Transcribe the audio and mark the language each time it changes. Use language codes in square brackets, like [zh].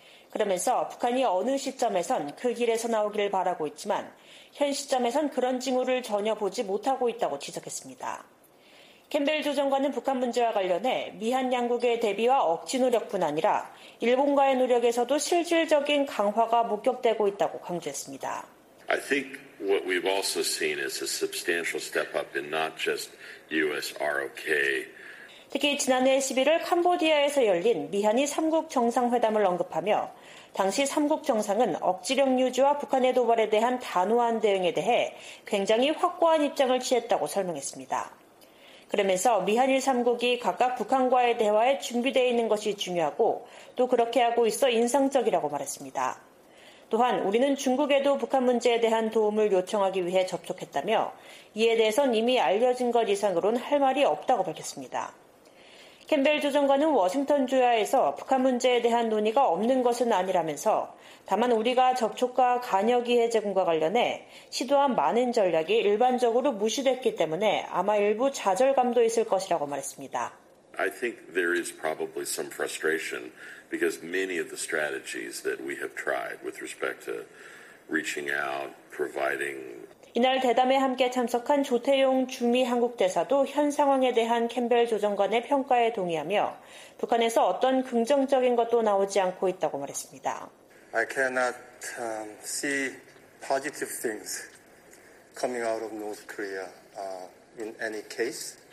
[ko] 그러면서 북한이 어느 시점에선 그 길에서 나오기를 바라고 있지만 현 시점에선 그런 징후를 전혀 보지 못하고 있다고 지적했습니다. 캠벨 조정관은 북한 문제와 관련해 미한 양국의 대비와 억지 노력뿐 아니라 일본과의 노력에서도 실질적인 강화가 목격되고 있다고 강조했습니다. [en] I think what we've also seen is a substantial step up in not just USROK. [ko] 특히 지난해 11월 캄보디아에서 열린 미한이 3국 정상회담을 언급하며 당시 3국 정상은 억지력 유지와 북한의 도발에 대한 단호한 대응에 대해 굉장히 확고한 입장을 취했다고 설명했습니다. 그러면서 미한일 3국이 각각 북한과의 대화에 준비되어 있는 것이 중요하고 또 그렇게 하고 있어 인상적이라고 말했습니다. 또한 우리는 중국에도 북한 문제에 대한 도움을 요청하기 위해 접촉했다며 이에 대해선 이미 알려진 것 이상으로는 할 말이 없다고 밝혔습니다. 캠벨 조정관은 워싱턴 주야에서 북한 문제에 대한 논의가 없는 것은 아니라면서 다만 우리가 접촉과 간여기회 제공과 관련해 시도한 많은 전략이 일반적으로 무시됐기 때문에 아마 일부 좌절감도 있을 것이라고 말했습니다. [en] I think there is probably some frustration because many of the strategies that we have tried with respect to reaching out, providing [ko] 이날 대담에 함께 참석한 조태용 주미 한국대사도 현 상황에 대한 캠벨 조정관의 평가에 동의하며 북한에서 어떤 긍정적인 것도 나오지 않고 있다고 말했습니다. [en] I cannot see positive things coming out of North Korea in any case.